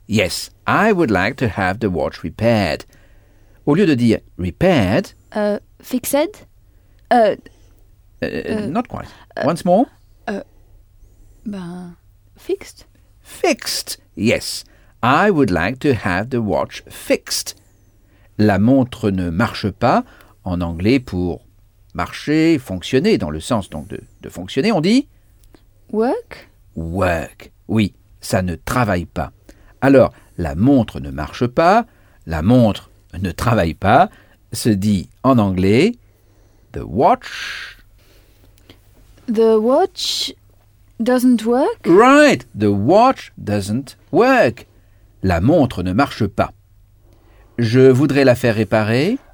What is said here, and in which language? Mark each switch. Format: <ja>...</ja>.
<en>Yes, I would like to have the watch repaired.</en> <fr>Au lieu de dire repaired.</fr> <en>Fixed. Not quite. Once more. Fixed. Fixed. Yes, I would like to have the watch fixed.</en> <fr>La montre ne marche pas. En anglais, pour marcher, fonctionner, dans le sens donc de fonctionner, on dit</fr> <en>work.</en> <fr>Work. Oui, ça ne travaille pas. Alors, la montre ne marche pas. La montre ne travaille pas. Se dit en anglais</fr> <en>the watch. The watch doesn't work. Right, the watch doesn't work.</en> <fr>La montre ne marche pas. Je voudrais la faire réparer.</fr>